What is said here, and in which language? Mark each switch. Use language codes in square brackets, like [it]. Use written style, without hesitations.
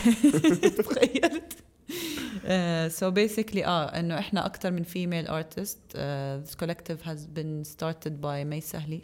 [ar] تخيلت. [en] So basically [ar] إنه إحنا أكتر من [en] female artist. This collective has been started by Mays Sahli.